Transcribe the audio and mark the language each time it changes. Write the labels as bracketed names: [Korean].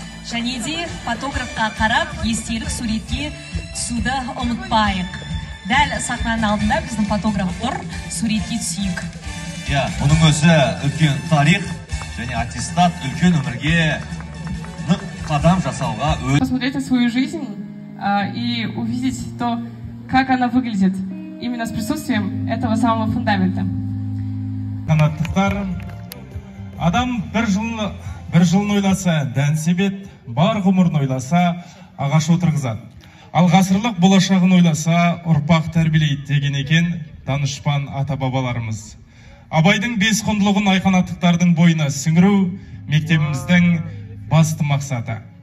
[Kazakh] Және де фотографқа қарап, естелік суретке түсуді ұмытпайық. Дәл сахнаның алдында біздің фотограф тұр, суретке түсейік. Иә, оның өзі үлкен тарих және аттестат үлкен өмірге нық қадам жасауға өз... [Russian] Посмотрите свою жизнь и увидеть то, как она выглядит именно с присутствием этого самого фундамента. [Kazakh] Қанаттықтар, адам бір жылын ойласа дән себет, бар ғұмырын ойласа ағаш отырғызады. Ал ғасырлық болашағын ойласа ұрпақ тәрбиелейді деген екен данышпан ата-бабаларымыз. Абайдың бес құндылығын айқанаттықтардың бойына сіңіру мектебіміздің басты мақсаты.